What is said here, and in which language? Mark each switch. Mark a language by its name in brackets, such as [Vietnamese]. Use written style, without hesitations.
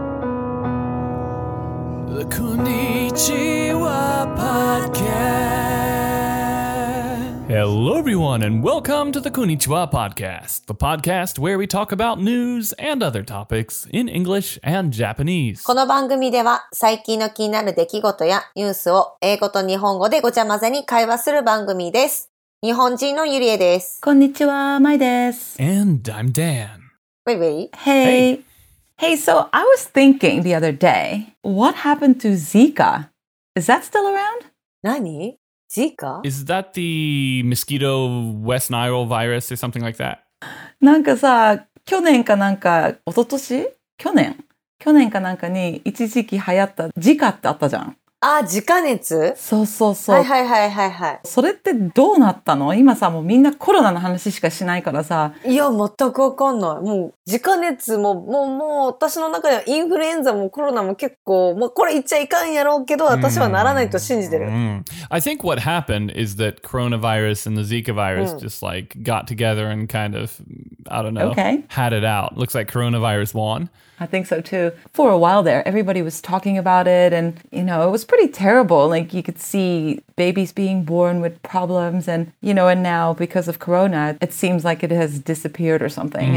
[Japanese] こんにちは、パッケース。 [English] Hello everyone and welcome to the こんにちは podcast, the podcast where we talk about news and other topics in English and Japanese. [Japanese] この番組では最近の気になる出来事やニュースを英語と日本語でごちゃ混ぜに会話する番組です。日本人のゆりえです。こんにちは、まいです。 [English] And I'm Dan. Wait, wait. Hey. Hey, so I was thinking the other day, what happened to Zika? Is that still around? [Japanese] 何?Zika? [English] Is that the mosquito West Nile virus or something like that? [Japanese] なんかさ、去年かなんか、おととし?去年? 去年かなんかに一時期流行った Zika ってあったじゃん。あ、自家熱? そうそうそう。はいはいはいはいはい。それってどうなったの?今さ、もうみんなコロナの話しかしないからさ。いや、全くわかんない。もう、自家熱も、もう私の中ではインフルエンザもコロナも結構、もうこれ言っちゃいかんやろうけど、私はならないと信じてる。 Mm-hmm. [English] I think what happened is that coronavirus and the Zika virus just like got together and kind of, I don't know, had it out. Looks like coronavirus won. I think so too. For a while there, everybody was talking about it and, you know, it was pretty terrible. Like you could see babies being born with problems and, you know, and now because of corona, it seems like it has disappeared or something.